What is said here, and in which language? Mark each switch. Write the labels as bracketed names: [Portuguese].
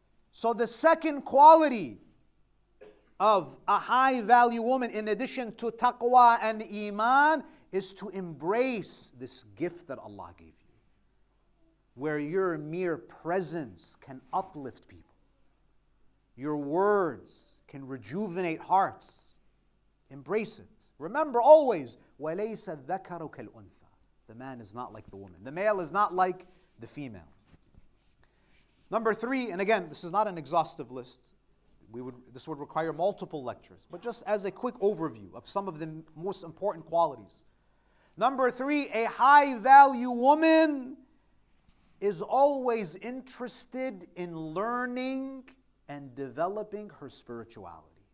[English] So the second quality of a high value woman, in addition to taqwa and iman, is to embrace this gift that Allah gave you, where your mere presence can uplift people. Your words can rejuvenate hearts. Embrace it. Remember always, [Arabic] وَلَيْسَ الذَّكَرُ كَالْأُنْثَى. [English] The man is not like the woman. The male is not like the female. Number three, and again, this is not an exhaustive list. This would require multiple lectures. But just as a quick overview of some of the most important qualities. Number three, a high-value woman is always interested in learning and developing her spirituality.